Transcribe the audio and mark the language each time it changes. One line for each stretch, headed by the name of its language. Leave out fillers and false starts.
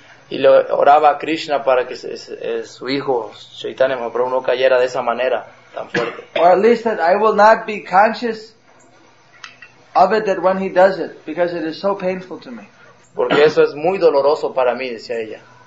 Spanish: Y le oraba a Krishna para que su hijo Chaitanya Mahaprabhu no cayera de esa manera tan fuerte.
English: Or at least that I will not be conscious of it that when he does it, because it is so painful to me.
Spanish: Porque eso es muy doloroso para mí, decía ella.